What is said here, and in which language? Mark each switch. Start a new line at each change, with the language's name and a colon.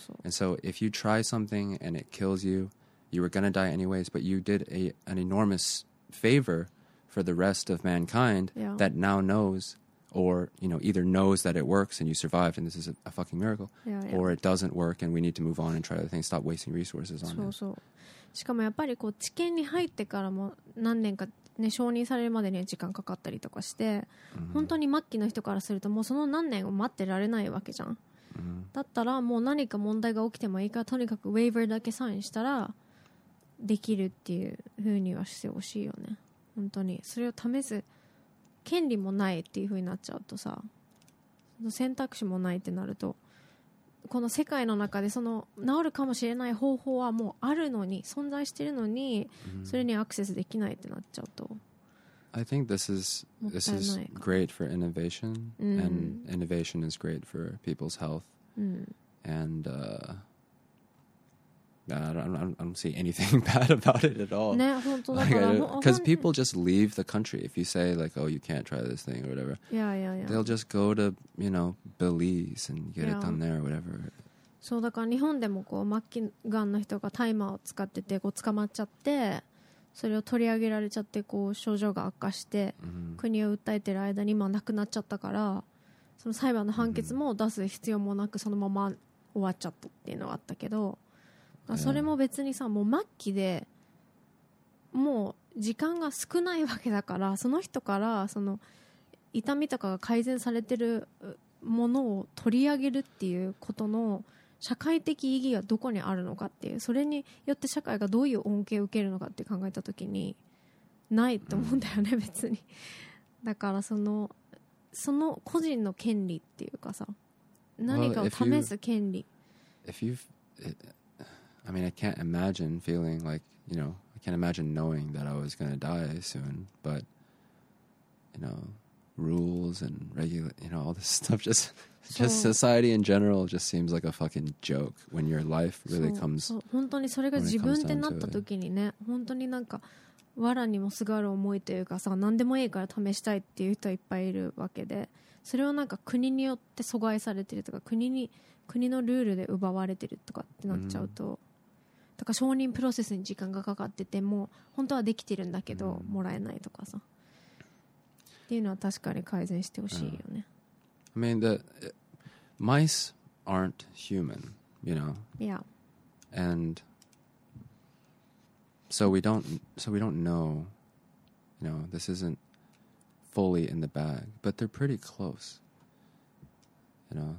English: And so, if you try something and it kills you, you were going to die anyways, but you did an enormous favor. For the rest of mankind yeah. that now knows, or you know, either knows that it works and you survived and this is a fucking miracle, yeah, yeah. or it doesn't work and we need to move on and try other things. Stop wasting resources on it.
Japanese: そうそう。しかもやっぱりこう治験に入ってからも何年かね承認されるまでには時間かかったりとかして、mm-hmm. 本当に末期の人からするともうその何年を待ってられないわけじゃん。 Mm-hmm. だったらもう何か問題が起きてもいいからとにかくウェイバーだけサインしたらできるっていう風にはしてほしいよね。本当にそれを試す権利もないっていう風になっちゃうとさ選択肢もないってなるとこの世界の中でその治るかもしれない方法はもうあるのに存在してるのにそれにアクセスできないってなっちゃうと
English: I think this is great for innovation、うん、 and innovation is great for people's health、うん、 andI don't see anything bad about it at all. Because people just leave the country. If you say like, oh, you can't try this thing or whatever. Yeah, yeah, yeah. They'll just go to, you know, Belize and get it done there or whatever.
Japanese: そうだから日本でもこう末期がんの人がタイマーを使っててこう捕まっちゃってそれを取り上げられちゃってこう症状が悪化して国を訴えてる間に今亡くなっちゃったからその裁判の判決も出す必要もなくそのまま終わっちゃったっていうのはあったけどそれも別にさもう末期でもう時間が少ないわけだからその人からその痛みとかが改善されてるものを取り上げるっていうことの社会的意義はどこにあるのかっていうそれによって社会がどういう恩恵を受けるのかって考えた時にないと思うんだよね別にだからその個人の権利っていうかさ何かを試す権利
English: If you've I mean, I can't imagine feeling like, you know, I can't imagine knowing that I was going to die soon, but, you know, rules and all this stuff, just society in general just seems like a fucking joke when your life really comes down to it.
Japanese: 本当にそれが自分ってなった時にね、本当になんか藁にもすがる思いというかさ、何でもいいから試したいっていう人はいっぱいいるわけで、それをなんか国によって阻害されてるとか、国のルールで奪われてるとかってなっちゃうと、だから承認プロセスに時間がかかってても、本当はできてるんだけどもらえないとかさ、っていうのは確かに改善してほしいよね。
English: I mean, the mice aren't human, you know? Yeah. And so we don't know, you know, this isn't fully in the bag, but they're pretty close, you know?